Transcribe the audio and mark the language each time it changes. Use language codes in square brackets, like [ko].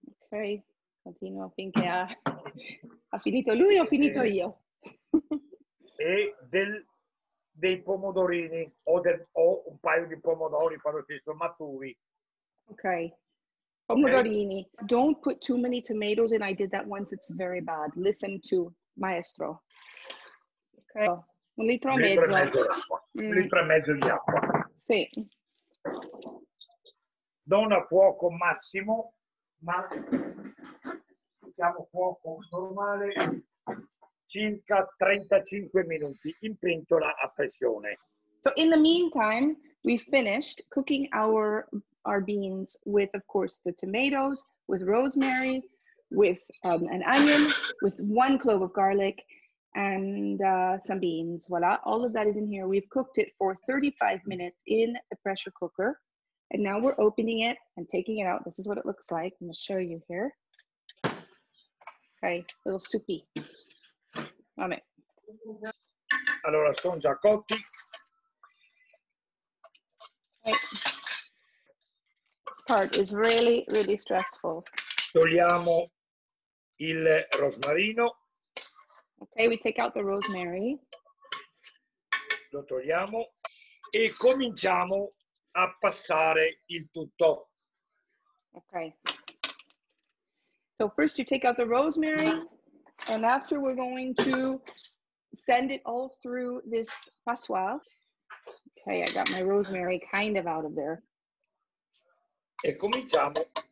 [it] Ok, continuo finché ha finito lui o finito io. E dei pomodorini o un paio di pomodori quando si sono maturi. Ok. Pomodorini. Okay. [en] Don't put too many tomatoes in. I did that once. It's very bad. Listen to maestro. Ok. [it] Un litro e mezzo. Un litro e mezzo di acqua. Sì. Non a fuoco massimo, ma diciamo fuoco normale, circa 35 minuti in pentola a pressione. [en] So in the meantime, we finished cooking our beans with, of course, the tomatoes, with rosemary, with an onion, with one clove of garlic, and some beans. Voila, all of that is in here. We've cooked it for 35 minutes in the pressure cooker. And now we're opening it and taking it out. This is what it looks like. I'm gonna show you here. Okay, a little soupy. Mamma. [it] Allora, sono già cotti. Okay. [en] Part is really, really stressful. [it] Togliamo il rosmarino. [en] Okay, we take out the rosemary. [it] Lo togliamo e cominciamo a passare il tutto. Okay. [en] So first you take out the rosemary, and after we're going to send it all through this passoir. Okay, I got my rosemary kind of out of there. [it] E cominciamo.